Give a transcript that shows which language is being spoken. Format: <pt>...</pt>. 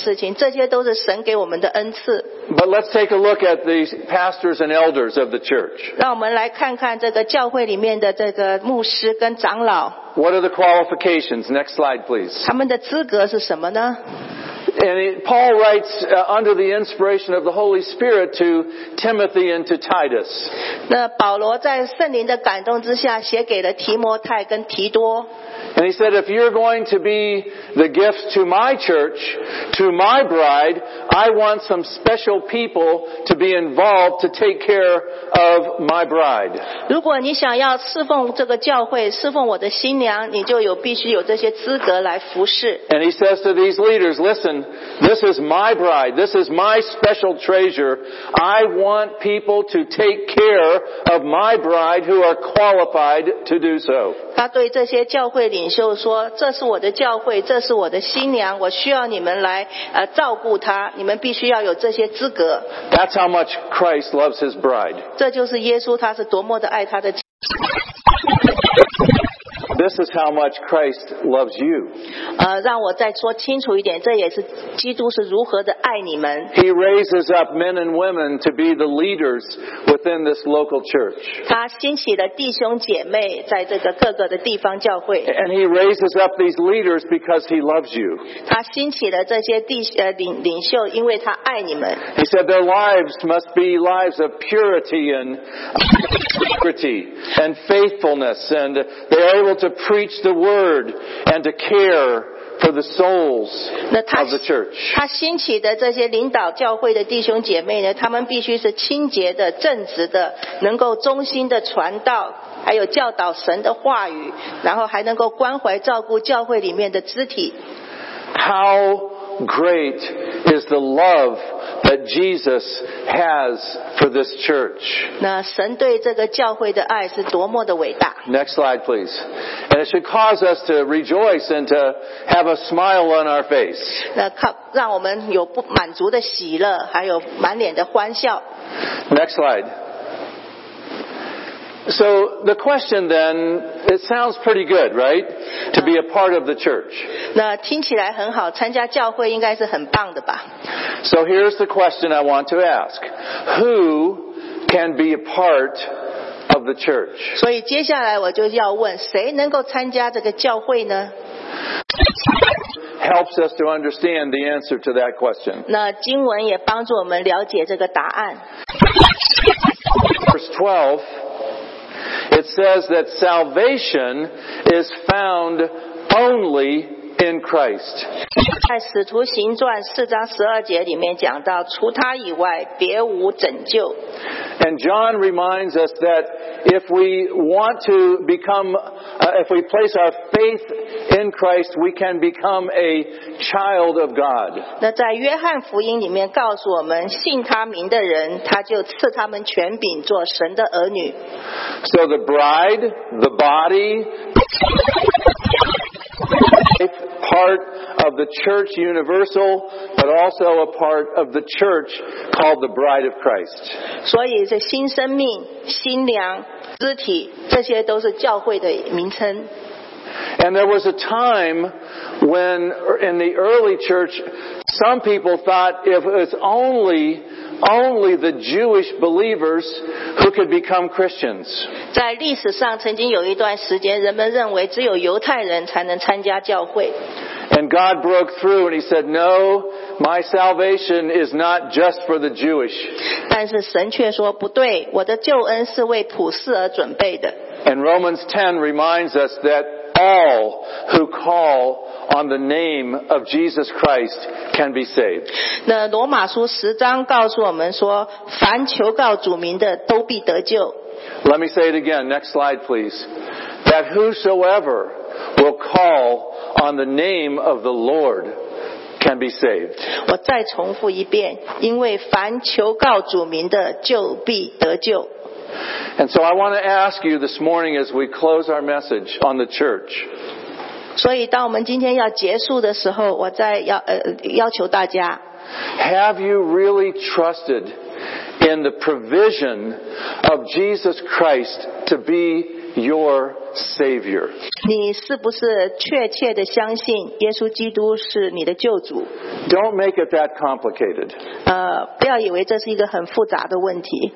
<zh>不管是准备这个每个礼拜的周报的，或者是准备这个主日崇拜的这些科技方面的事情，这些都是神给我们的恩赐。</zh> <en>But let's take a look at these pastors and elders of the church.</en> <zh>让我们来看看这个教会里面的这个牧师跟长老。</zh> <en>What are the qualifications? Next slide, please.</en> <zh>他们的资格是什么呢?</zh> <en>And Paul writes under the inspiration of the Holy Spirit to Timothy and to Titus.</en> <zh>那保罗在圣灵的感动之下写给了提摩太跟提多。</zh> <en>And he said, if you're going to be the gift to my church, to my bride, I want some special people to be involved to take care of my bride.</en> <zh>如果你想要侍奉这个教会，侍奉我的新娘，你就有必须有这些资格来服侍。</zh> <en>And he says to these leaders, listen, this is my bride. This is my special treasure. I want people to take care of my bride who are qualified to do so.</en> <zh>他对这些教会领袖说，这是我的教会，这是我的新娘，我需要你们来照顾她，你们必须要有这些资格。</zh> <en>That's how much Christ loves his bride.</en> <zh>这就是耶稣他是多么的爱他的。</zh> <en>This is how much Christ loves you.</en> <zh>让我再说清楚一点，这也是基督是如何的爱你们。</zh> <en>He raises up men and women to be the leaders within this local church.</en> <zh>他兴起了弟兄姐妹在这个各个的地方教会。</zh> <en>And he raises up these leaders because he loves you.</en> <zh>他兴起了这些领袖，因为他爱你们。</zh> <en>He said their lives must be lives of purity and integrity and faithfulness, and they are able to preach the word and to care for the souls of the church.</en> <zh>他兴起的这些领导教会的弟兄姐妹呢，他们必须是清洁的、正直的，能够忠心的传道，还有教导神的话语，然后还能够关怀照顾教会里面的肢体。</zh> <en>How great is the love that Jesus has for this church.</en> <zh>那神对这个教会的爱是多么的伟大。</zh> <en>Next slide, please. And it should cause us to rejoice and to have a smile on our face.</en> <zh>那让我们有不满足的喜乐，还有满脸的欢笑。</zh> <en>Next slide. So the question then, it sounds pretty good, right? To be a part of the church.</en> <zh>那听起来很好，参加教会应该是很棒的吧。</zh> <en>So here's the question I want to ask. Who can be a part of the church?</en> <zh>所以接下来我就要问，谁能够参加这个教会呢？</zh> <en>Helps us to understand the answer to that question.</en> <zh>那经文也帮助我们了解这个答案。</zh> <en>Verse 12. It says that salvation is found only in Christ.</en> <zh>在使徒行传四章十二节里面讲到，除他以外，别无拯救。</zh> <en>And John reminds us that if we want to become, if we place our faith in Christ, we can become a child of God.</en> <zh>那在约翰福音里面告诉我们，信他名的人，他就赐他们权柄做神的儿女。</zh> <en>So the bride, the body, part of the church universal, but also a part of the church called the bride of Christ.</en> <zh>所以这新生命、新娘、肢体，这些都是教会的名称。</zh> <en>And there was a time when in the early church, some people thought if it's only the Jewish believers who could become Christians.</en> <zh>在历史上曾经有一段时间，人们认为只有犹太人才能参加教会。</zh> <en>And God broke through and he said, No, my salvation is not just for the Jewish.</en> <zh>但是神却说不对，我的救恩是为普世而准备的。</zh> <en>And Romans 10 reminds us that all who call on the name of Jesus Christ can be saved.</en> <zh>那罗马书十章告诉我们说，凡求告主名的都必得救。</zh> <en>Let me say it again. Next slide, please. That whosoever will call on the name of the Lord can be saved.</en> <zh>我再重复一遍，因为凡求告主名的就必得救。</zh> <en>And so I want to ask you this morning as we close our message on the church.</en> <zh>所以当我们今天要结束的时候，我再要求大家。</zh> <en>Have you really trusted in the provision of Jesus Christ to be your Savior?</en> <zh>你是不是确切地相信耶稣基督是你的救主？</zh> <en>Don't make it that complicated.</en> <zh>不要以为这是一个很复杂的问题。</zh>